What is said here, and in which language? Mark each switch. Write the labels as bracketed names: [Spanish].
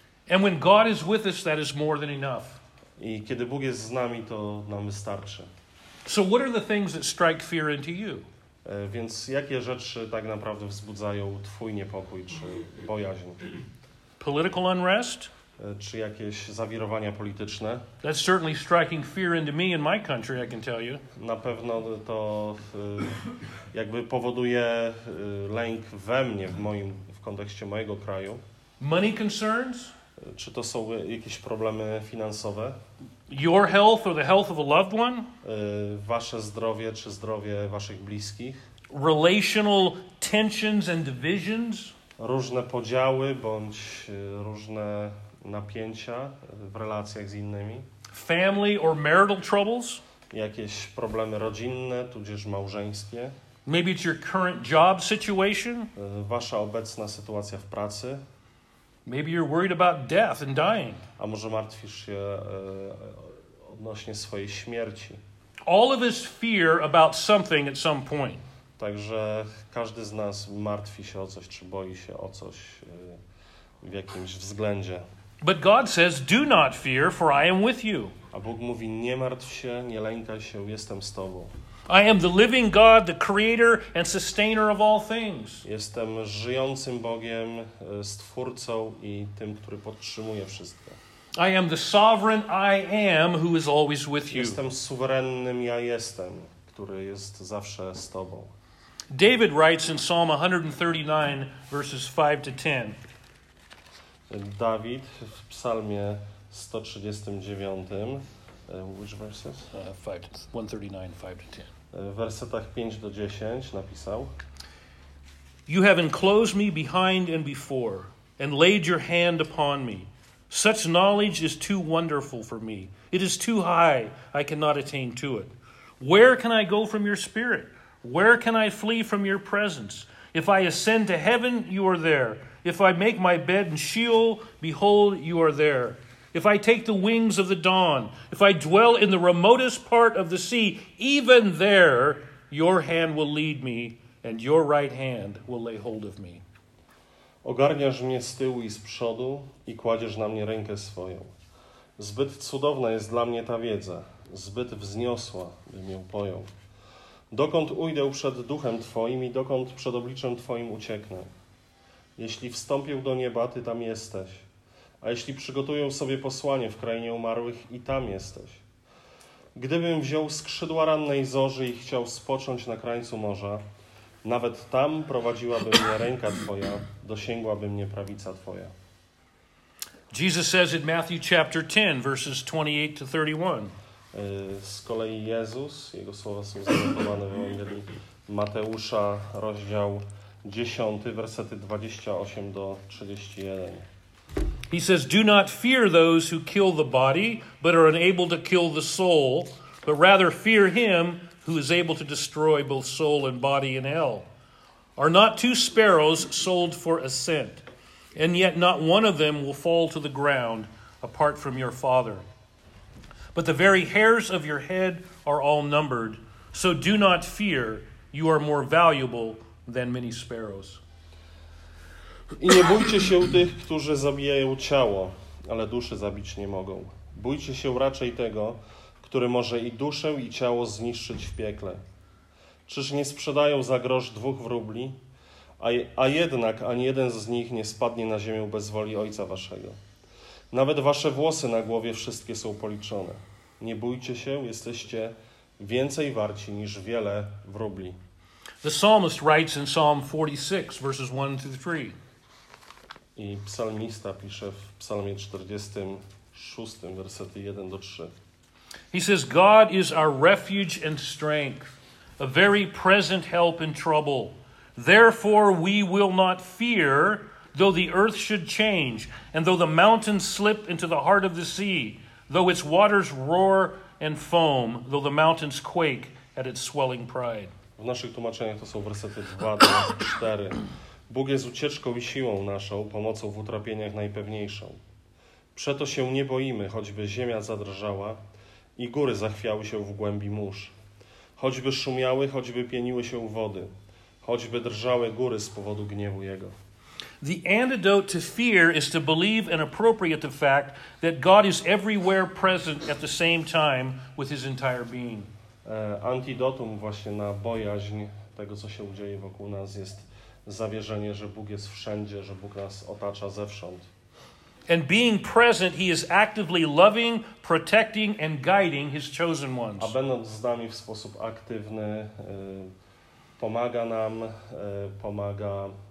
[English] And when God is with us, that is more than enough. [Polish] I kiedy Bóg jest z nami, to nam wystarczy. [English] So what are the things that strike fear into you? [Polish] Więc jakie rzeczy tak naprawdę wzbudzają twój niepokój czy bojaźń? [English] Political unrest? [Polish] Czy jakieś zawirowania polityczne? [English] That's certainly striking fear into me and my country, I can tell you. [Polish] Na pewno to jakby powoduje lęk we mnie, w kontekście mojego kraju. [English] Money concerns? [Polish] Czy to są jakieś problemy finansowe? [English] Your health or the health of a loved one? [Polish] Wasze zdrowie czy zdrowie waszych bliskich? [English] Relational tensions and divisions? [Polish] Różne podziały bądź różne napięcia w relacjach z innymi? [English] Family or marital troubles? [Polish] Jakieś problemy rodzinne tudzież małżeńskie? [English] Maybe it's your current job situation? [Polish] Wasza obecna sytuacja w pracy? [English] Maybe you're worried about death and dying. [Polish] A może martwisz się odnośnie swojej śmierci. [English] All of us fear about something at some point. [Polish] Także każdy z nas martwi się o coś, czy boi się o coś w jakimś względzie. [English] But God says, do not fear, for I am with you. [Polish] A Bóg mówi, nie martw się, nie lękaj się, jestem z tobą. [English] I am the living God, the creator and sustainer of all things. [Polish] Jestem żyjącym Bogiem, stwórcą i tym, który podtrzymuje wszystko. [English] I am the sovereign I am who is always with you. [Polish] Jestem suwerennym ja jestem, który jest zawsze z tobą. [English] David writes in Psalm 139 verses 5 to 10. [Polish] Dawid w Psalmie 139 [English] which verses? 139, 5-10. [Polish] Wersetach 5 do 10 napisał. [English] You have enclosed me behind and before, and laid your hand upon me. Such knowledge is too wonderful for me. It is too high, I cannot attain to it. Where can I go from your spirit? Where can I flee from your presence? If I ascend to heaven, you are there. If I make my bed in Sheol, behold, you are there. If I take the wings of the dawn, if I dwell in the remotest part of the sea, even there your hand will lead me and your right hand will lay hold of me. [Polish] Ogarniasz mnie z tyłu i z przodu i kładziesz na mnie rękę swoją. Zbyt cudowna jest dla mnie ta wiedza, zbyt wzniosła, bym ją pojął. Dokąd ujdę przed duchem Twoim i dokąd przed obliczem Twoim ucieknę? Jeśli wstąpię do nieba, Ty tam jesteś. A jeśli przygotuję sobie posłanie w krainie umarłych, i tam jesteś. Gdybym wziął skrzydła rannej zorzy i chciał spocząć na krańcu morza, nawet tam prowadziłaby mnie ręka Twoja, dosięgłaby mnie prawica Twoja. [English] Jesus says in Matthew chapter 10, verses 28 to 31. [Polish] Z kolei Jezus, jego słowa są zanotowane w Ewangelii Mateusza, rozdział 10, wersety 28 do 31. [English] He says, do not fear those who kill the body, but are unable to kill the soul, but rather fear him who is able to destroy both soul and body in hell. Are not two sparrows sold for a cent, and yet not one of them will fall to the ground apart from your Father. But the very hairs of your head are all numbered, so do not fear, you are more valuable than many sparrows. [Polish] I nie bójcie się tych, którzy zabijają ciało, ale duszy zabić nie mogą. Bójcie się raczej tego, który może i duszę, i ciało zniszczyć w piekle. Czyż nie sprzedają za grosz dwóch wróbli, a jednak ani jeden z nich nie spadnie na ziemię bez woli Ojca waszego. Nawet wasze włosy na głowie wszystkie są policzone. Nie bójcie się, jesteście więcej warci niż wiele wróbli. [English] The psalmist writes in Psalm 46, verses 1-3. [Polish] I psalmista pisze w Psalmie 46, wersety 1-3. [English] He says, God is our refuge and strength, a very present help in trouble. Therefore we will not fear, though the earth should change, and though the mountains slip into the heart of the sea, though its waters roar and foam, though the mountains quake at its swelling pride. [Polish] W naszych tłumaczeniach to są wersety 2 do 4. Bóg jest ucieczką i siłą naszą, pomocą w utrapieniach najpewniejszą. Przeto się nie boimy, choćby ziemia zadrżała i góry zachwiały się w głębi mórz. Choćby szumiały, choćby pieniły się wody, choćby drżały góry z powodu gniewu Jego. [English] The antidote to fear is to believe and appropriate the fact that God is everywhere present at the same time with his entire being. [Polish] Antidotum właśnie na bojaźń tego, co się dzieje wokół nas, jest zawierzenie, że Bóg jest wszędzie, że Bóg nas otacza zewsząd. [English] And being present, he is actively loving, protecting and guiding his chosen ones. [Polish] A będąc z nami w sposób aktywny, pomaga nam, pomaga...